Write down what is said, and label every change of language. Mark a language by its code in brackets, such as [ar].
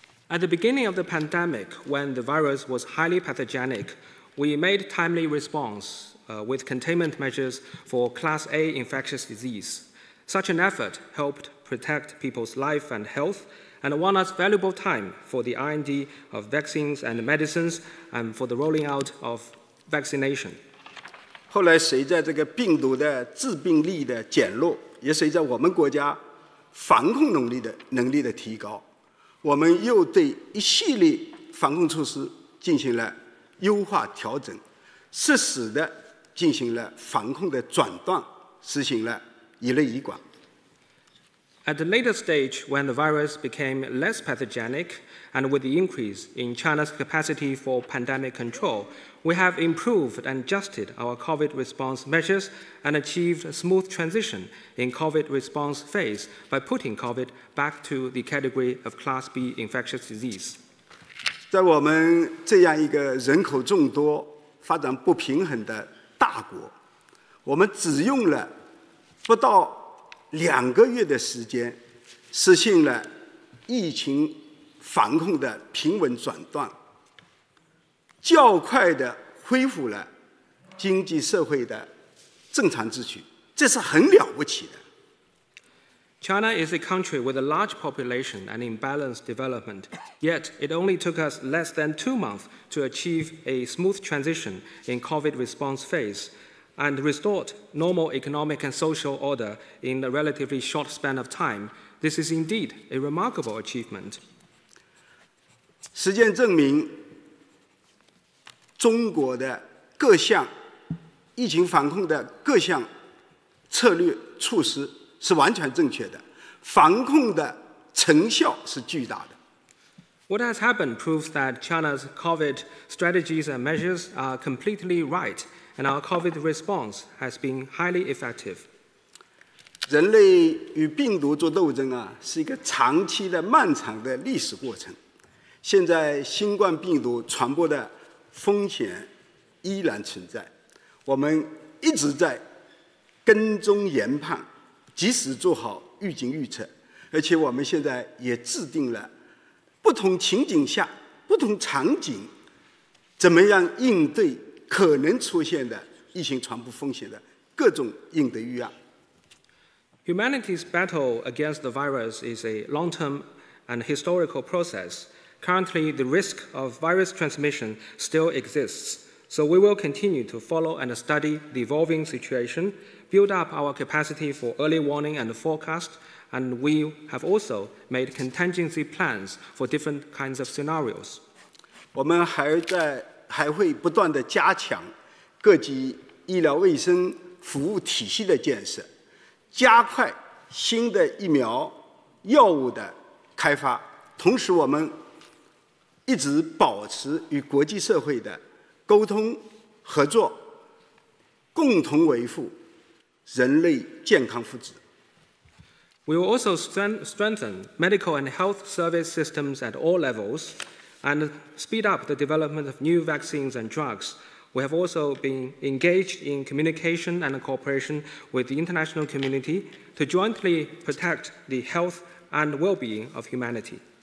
[en] At the beginning of the pandemic, when the virus was highly pathogenic, we made timely response, with containment measures for Class A infectious disease. Such an effort helped protect people's life and health. And won us valuable time for the R&D of vaccines and medicines, and for the rolling out of vaccination. [zh] 后来，随着这个病毒的致病力的减弱，也随着我们国家防控能力的提高，我们又对一系列防控措施进行了优化调整，适时的进行了防控的转段，实行了一类一管。 [en] At the later stage, when the virus became less pathogenic, and with the increase in China's capacity for pandemic control, we have improved and adjusted our COVID response measures and achieved a smooth transition in COVID response phase by putting COVID back to the category of Class B infectious disease. [zh] 在我们这样一个人口众多、发展不平衡的大国，我们只用了不到两个月的时间，实现了疫情防控的平稳转段，较快地恢复了经济社会的正常秩序，这是很了不起的。 [en] China is a country with a large population and imbalanced development, yet it only took us less than 2 months to achieve a smooth transition in COVID response phase. And restored normal economic and social order in a relatively short span of time. This is indeed a remarkable achievement. [zh] 实践证明，中国的各项疫情防控的各项策略措施是完全正确的，防控的成效是巨大的。 [en] What has happened proves that China's COVID strategies and measures are completely right, and our COVID response has been highly effective. [zh] 人类与病毒做斗争啊，是一个长期的、漫长的历史过程。现在新冠病毒传播的风险依然存在，我们一直在跟踪研判，及时做好预警预测，而且我们现在也制定了不同情景下、不同场景怎么样应对可能出现的疫情传播风险的各种应对预案。 [en] Humanity's battle against the virus is a long-term and historical process. Currently, the risk of virus transmission still exists, so we will continue to follow and study the evolving situation, build up our capacity for early warning and forecast, and we have also made contingency plans for different kinds of scenarios. [zh] 我们还会不断地加强各级医疗卫生服务体系的建设。加快新的疫苗药物的开发，同时我们一直保持与国际社会的沟通合作，共同维护人类健康福祉。 [en] We will also strengthen medical and health service systems at all levels and speed up the development of new vaccines and drugs. We have also been engaged in communication and cooperation with the international community to jointly protect the health and well-being of humanity.